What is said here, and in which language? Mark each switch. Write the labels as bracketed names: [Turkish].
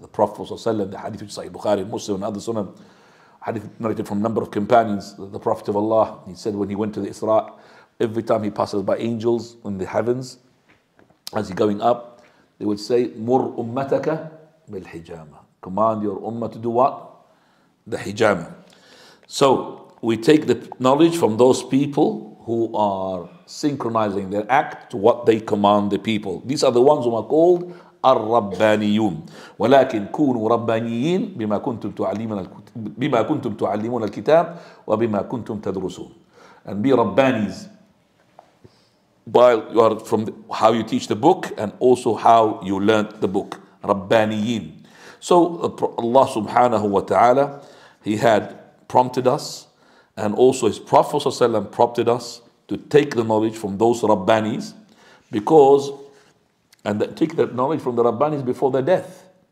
[English] The Prophet ﷺ, the hadith of Sahih Bukhari, Muslim, and other sunnah, hadith narrated from a number of companions, the Prophet of Allah, he said when he went to the Isra, every time he passes by angels in the heavens, as he's going up, they would say, [Arabic] Mur ummataka bil hijama. [English] Command your ummah to do what? The hijama. So we take the knowledge from those people who are synchronizing their act to what they command the people. These are the ones who are called [Arabic] الربانيون ولكن كونوا ربانيين بما كنتم تعلمون بما كنتم تعلمون الكتاب وبما كنتم تدرسون. [English] And be Rabbanis while you are from how you teach the book and also how you learnt the book. [Arabic] ربانيين. [English] So Allah subhanahu wa ta'ala, he had prompted us and also his Prophet ﷺ prompted us to take the knowledge from those Rabbanis because and that take that knowledge from the Rabbanis before their death.